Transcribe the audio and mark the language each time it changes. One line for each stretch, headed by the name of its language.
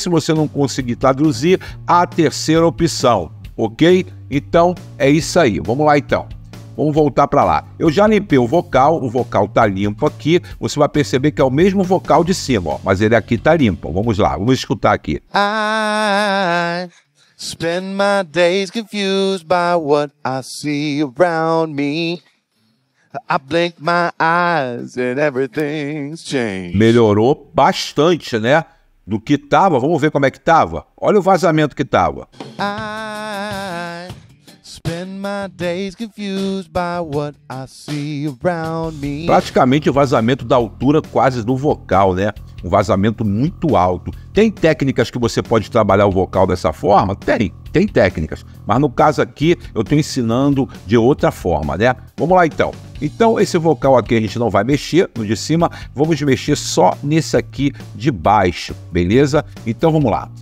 Portuguese: Se você não conseguir traduzir, a terceira opção, ok? Então, é isso aí. Vamos lá, então. Vamos voltar para lá. Eu já limpei o vocal tá limpo aqui. Você vai perceber que é o mesmo vocal de cima, ó, mas ele aqui tá limpo. Vamos lá, vamos escutar aqui.
English: I spend my days confused by what I see around me. I blink my eyes and everything's changed.
Portuguese: Melhorou bastante, né? Do que tava, vamos ver como é que tava. Olha o vazamento que tava.
English: I spend my days confused by what I see around me.
Portuguese: Praticamente o vazamento da altura quase do vocal, né? Um vazamento muito alto. Tem técnicas que você pode trabalhar o vocal dessa forma? Tem técnicas. Mas no caso aqui, eu tô ensinando de outra forma, né? Vamos lá então. Então, esse vocal aqui a gente não vai mexer no de cima, vamos mexer só nesse aqui de baixo, beleza? Então, vamos lá.